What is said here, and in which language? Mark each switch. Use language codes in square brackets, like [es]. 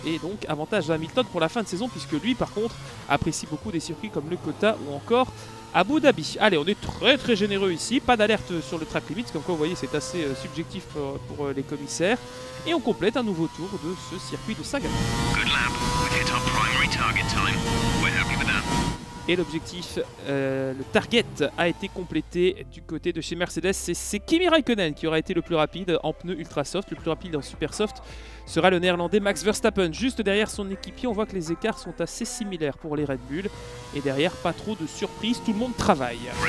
[fr] Et donc, avantage à Hamilton pour la fin de saison, puisque lui, par contre, apprécie beaucoup des circuits comme le Qatar ou encore Abu Dhabi. Allez, on est très très généreux ici. Pas d'alerte sur le track limit, comme quoi, vous voyez, c'est assez subjectif pour les commissaires. Et on complète un nouveau tour de ce circuit de Singapour. [en] Good lap. We've hit our primary target time. We're happy with that. [fr] Et l'objectif, le target a été complété du côté de chez Mercedes. C'est Kimi Raikkonen qui aura été le plus rapide en pneus ultra soft. Le plus rapide en super soft sera le néerlandais Max Verstappen. Juste derrière son équipier, on voit que les écarts sont assez similaires pour les Red Bull. Et derrière, pas trop de surprises, tout le monde travaille.